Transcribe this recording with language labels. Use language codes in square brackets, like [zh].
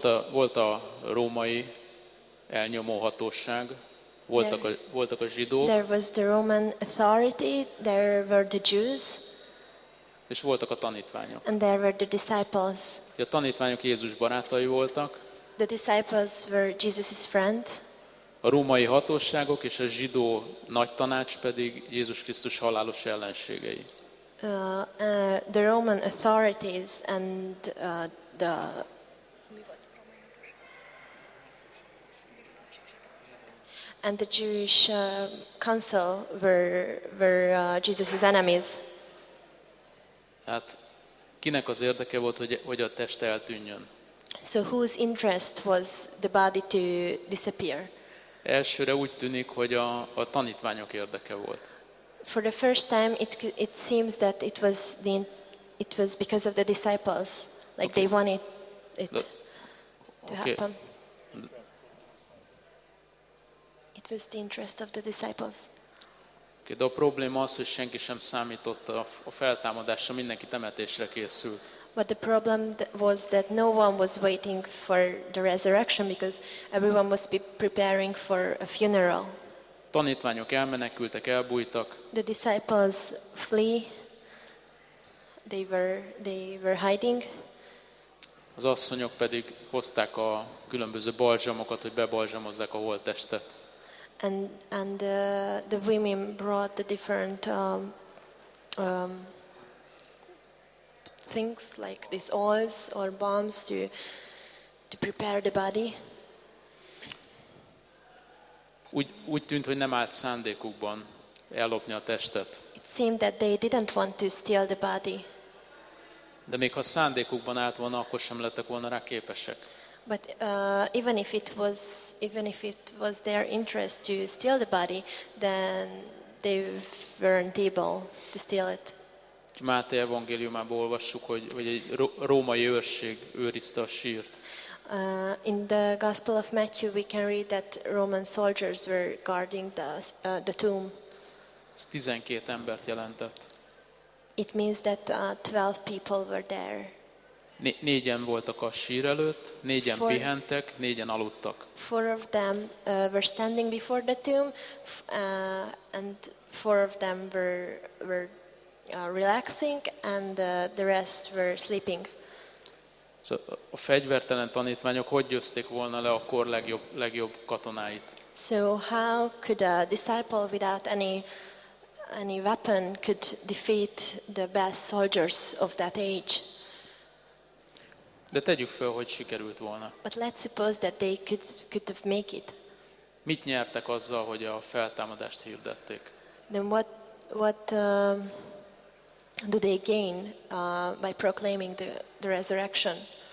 [hu] Volt a római elnyomó hatóság, voltak a zsidók. [en] There was the Roman authority, there were the Jews. [hu] És voltak a tanítványok. [en] And there were the disciples. [hu] A tanítványok Jézus barátai voltak. [en] The disciples were Jesus's friend. [hu] A római hatóságok és a zsidó nagy tanács pedig Jézus Krisztus halálos ellenségei. [en] The Roman authorities and the and the Jewish council were Jesus's enemies. [hu] Hát kinek az érdeke volt, hogy a test eltűnjön? [en] So whose interest was the body to disappear? [hu] Elsőre úgy tűnik, hogy a tanítványok érdeke volt. [en] For the first time it seems that it was because of the disciples, like okay. They wanted it to okay. happen. It was the interest of the disciples. [hu] Okay, de a probléma az, hogy senki sem számított a feltámadásra, mindenki temetésre készült. [en] But the problem was that no one was waiting for the resurrection because everyone was preparing for a funeral. [hu] Tanítványok elmenekültek, elbújtak. [en] The disciples flee. They were hiding. [hu] Az asszonyok pedig hozták a különböző balzsamokat, hogy bebalzsamozzák a holttestet. [en] And the women brought the different things like these oils or balms to prepare the body. [hu] Úgy tűnt, hogy nem állt szándékukban ellopni a testet. [en] It seemed that they didn't want to steal the body. [hu] De még ha szándékukban állt volna, akkor sem lettek volna rá képesek. [en] But even if it was their interest to steal the body, then they weren't able to steal it. [hu] Máté evangéliumában olvassuk, hogy egy római őrség őrizte a sírt. [en] In the Gospel of Matthew we can read that Roman soldiers were guarding the tomb. [hu] Ez 12 embert jelentett. [en] It means that 12 people were there. [hu] Négyen voltak a sír előtt, négyen [en] four, [hu] pihentek, négyen aludtak. [en] Four of them were standing before the tomb and four of them were relaxing and the rest were sleeping. [hu] So, a fegyvertelen tanítványok hogy győzték volna le a kor legjobb katonáit? [en] So how could a disciple without any weapon could defeat the best soldiers of that age? [hu] De tegyük fel, hogy sikerült volna. [en] But let's suppose that they could have make it. [hu] Mit nyertek azzal, hogy a feltámadást hirdették? [en] Then what do they gain by proclaiming the resurrection?